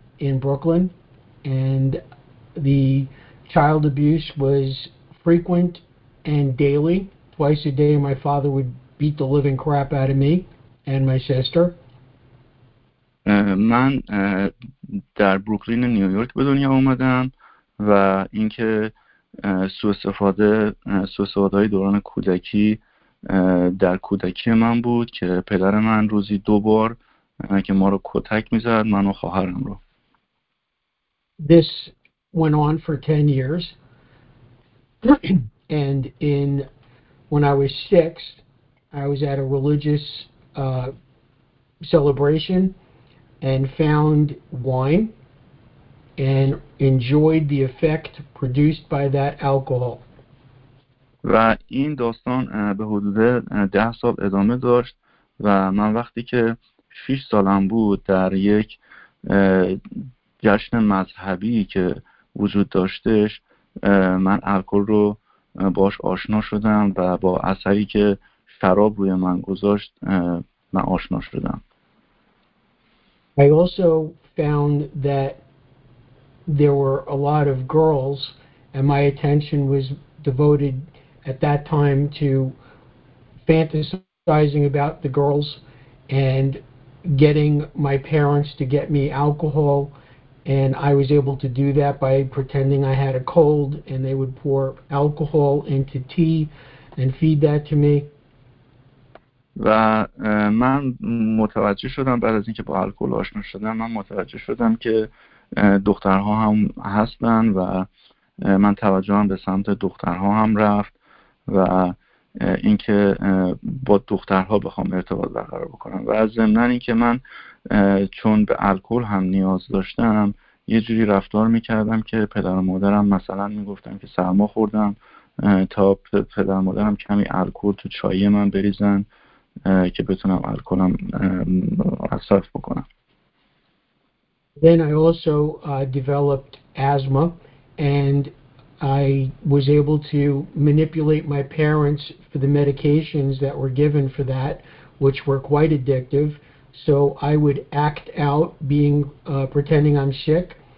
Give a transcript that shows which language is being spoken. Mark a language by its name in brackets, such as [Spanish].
[English] In Brooklyn, and the child abuse was frequent and daily. Twice a day, my father would beat the living crap out of me and my sister. [Persian] من در بروکلین نیویورک به دنیا اومدم و اینکه سوء استفاده های دوران کودکی در کودکی من بود که پدر من روزی دو بار که ما رو کتک می‌زد، من و خواهرم رو. [English] This went on for 10 years. And in when I was six, I was at a religious celebration and found wine and enjoyed the effect produced by that alcohol. [Persian] و این داستان به حدود 10 سال ادامه داشت و من وقتی که 6 سالم بود در یک جشن مذهبی که وجود داشتش من الکل رو باش آشنا شدم و با اثری که شراب روی من گذاشت من آشنا شدم. [English] I also found that there were a lot of girls and my attention was devoted at that time to fantasizing about the girls and getting my parents to get me alcohol, and I was able to do that by pretending I had a cold and they would pour alcohol into tea and feed that to me. [Persian] و من متوجه شدم بعد از اینکه با الکل آشنا شدم من متوجه شدم که دخترها هم هستن و من توجهم به سمت دخترها هم رفت و اینکه با دخترها بخوام ارتباط برقرار بکنم و از ضمن اینکه من چون به الکل هم نیاز داشتم یه جوری رفتار میکردم که پدر و مادرم مثلا میگفتن که سرما خوردم تا پدر و مادرم کمی الکل تو چای من بریزن که بتونم الکلم صرف بکنم. [English] Then I also developed asthma and I was able to manipulate my parents for the medications that were given for that, which were quite addictive. So I would act out being pretending I'm sick.